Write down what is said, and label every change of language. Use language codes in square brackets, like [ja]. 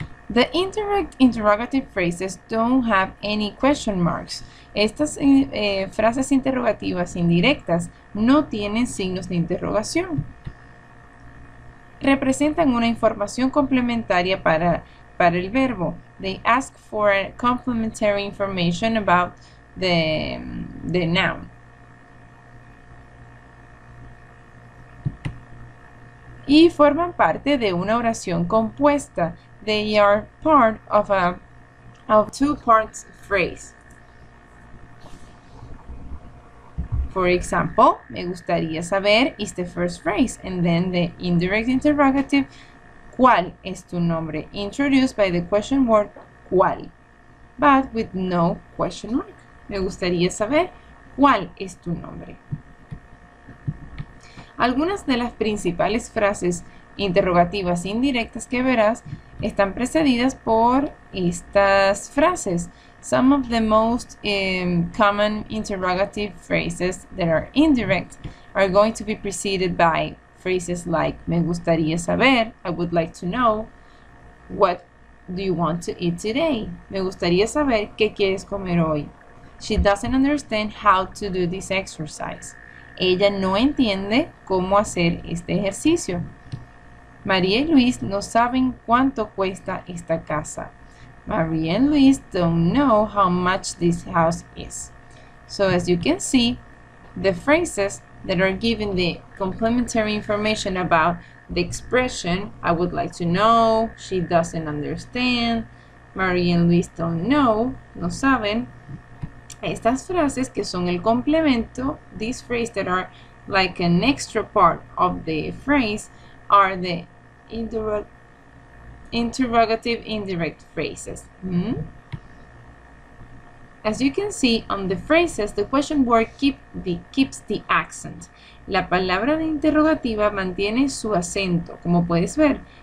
[en] The indirect interrogative phrases don't have any question marks. [es] Estas frases interrogativas indirectas no tienen signos de interrogación. Representan una información complementaria para el verbo. [en] They ask for complementary information about the noun. [es] Y forman parte de una oración compuesta. [en] They are part of a two-part phrase. For example, [es] me gustaría saber [en] is the first phrase, and then the indirect interrogative, [es] ¿cuál es tu nombre? [en] Introduced by the question word, ¿cuál? But with no question mark. [es] Me gustaría saber, ¿cuál es tu nombre? Algunas de las principales frases interrogativas indirectas que verás están precedidas por estas frases. [en] Some of the most common interrogative phrases that are indirect are going to be preceded by phrases like [es] me gustaría saber, [en] I would like to know, what do you want to eat today? [es] Me gustaría saber qué quieres comer hoy. [en] She doesn't understand how to do this exercise. [es] Ella no entiende cómo hacer este ejercicio. María y Luis no saben cuánto cuesta esta casa. [en] María y Luis don't know how much this house is. So as you can see, the phrases that are giving the complementary information about the expression, I would like to know, she doesn't understand, María y Luis don't know, [es] no saben. Estas frases que son el complemento, [en] these phrases that are like an extra part of the phrase, are the interrogative indirect phrases. As you can see on the phrases, the question word keeps the accent. [es] La palabra de interrogativa mantiene su acento, como puedes ver.